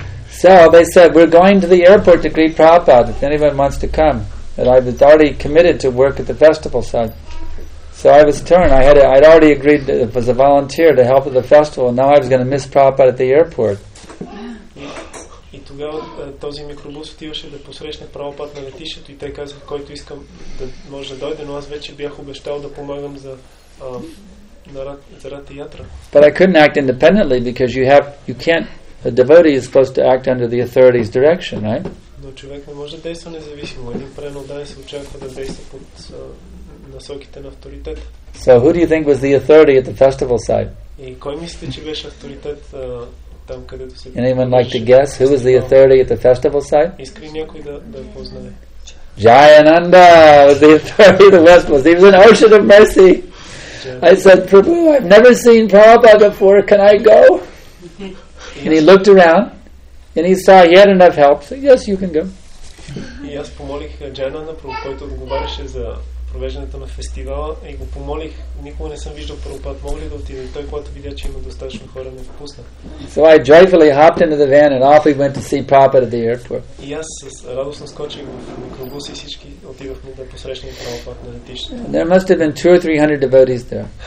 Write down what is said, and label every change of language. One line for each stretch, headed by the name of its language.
English: So they said, we're going to the airport to greet Prabhupada if anyone wants to come. And I was already committed to work at the festival site. So I was torn. I'd already agreed that as a volunteer to help at the festival, and now I was going to miss Prabhupada at the airport. And then
Bulgarian: тогава този микробус отиваше да посрещне Прабхупад на летището и те казаха, който искам да може да дойде, но аз вече бях обещал да помагам за Ратха Ятра.
English: But I couldn't act independently because you can't, a devotee is supposed to act under the authority's direction, right?
Bulgarian: Но човек не може да действа независимо. Един преноден се очаква да действа под насоките на авторитет.
English: So who do you think was the authority at the festival site?
Bulgarian: И кой мисли, че беше авторитет там, където се...
English: Anyone like to guess who was the authority at the festival site?
Bulgarian: Искри някой да познаде.
English: Jayananda was the authority of the festival. He was an ocean of mercy. I said, Prabhu, I've never seen Prabhupada before. Can I go? And he looked around. And he saw he had enough help. So yes, you can go.
Bulgarian: И аз помолих Джайананда, който говореше за провеждането на фестивала, и го помолих, никога не съм виждал Прабхупад, мога ли да отиде? Той, когато видя, че има достатъчно хора, ме впусна.
English: So I joyfully hopped into the van and off we went to see Prabhupada at the airport.
Bulgarian: И аз с радостно скочих в микробус и всички отивахме да посрещнем Прабхупад на летището.
English: There must have been 200-300 devotees there.